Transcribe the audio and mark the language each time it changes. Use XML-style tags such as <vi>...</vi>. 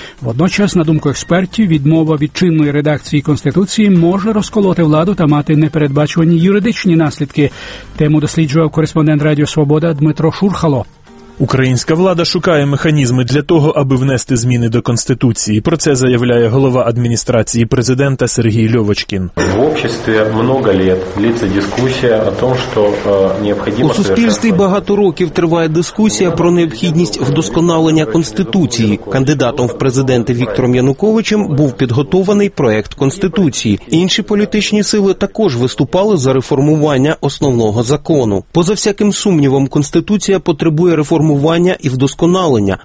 <uk>Водночас, на думку експертів, відмова від чинної редакції Конституції може розколоти владу та мати непередбачувані юридичні наслідки. Тему досліджував кореспондент Радіо Свобода Дмитро Шурхало. Українська влада шукає механізми для того, аби внести зміни до Конституції. Про це заявляє голова адміністрації президента Сергій Льовочкін.</uk> <ru>В обществі много лет длится дискуссия о том, что необходимо.</ru> <uk>У суспільстві багато років триває дискусія про необхідність вдосконалення Конституції. Кандидатом в президенти Віктором Януковичем був підготовлений проект Конституції. Інші політичні сили також виступали за реформування основного закону. Поза всяким сумнівом, Конституція потребує реформування і вдосконалення.</uk>